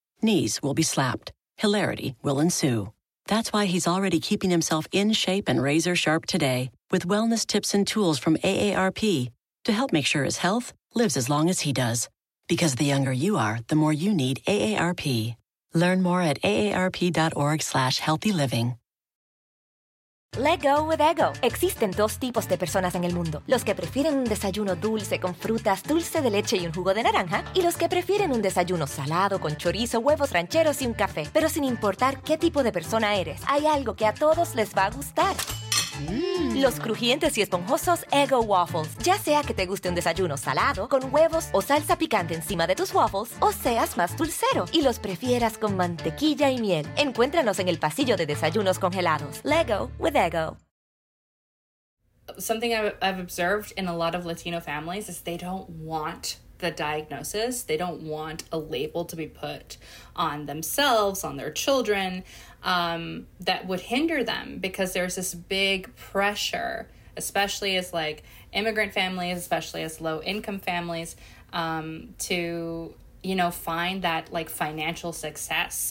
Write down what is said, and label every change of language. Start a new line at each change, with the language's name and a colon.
English: Knees will be slapped. Hilarity will ensue. That's why he's already keeping himself in shape and razor sharp today with wellness tips and tools from AARP to help make sure his health lives as long as he does. Because the younger you are, the more you need AARP. Learn more at aarp.org/healthyliving. Let go with Eggo.
Spanish: Existen dos tipos de personas en el mundo. Los que prefieren un desayuno dulce con frutas, dulce de leche y un jugo de naranja. Y los que prefieren un desayuno salado con chorizo, huevos rancheros y un café. Pero sin importar qué tipo de persona eres, hay algo que a todos les va a gustar. Los crujientes y esponjosos Eggo Waffles. Ya sea que te guste un desayuno salado con huevos o salsa picante encima de tus waffles, o seas más dulcero y los prefieras con mantequilla y miel, encuéntranos en el pasillo de desayunos congelados.
English: Lego with Eggo. Something I've observed in a lot of Latino families is they don't want the diagnosis. They don't want a label to be put on themselves, on their children, that would hinder them, because there's this big pressure, especially as like immigrant families, especially as low income families, to, you know, find that like financial success.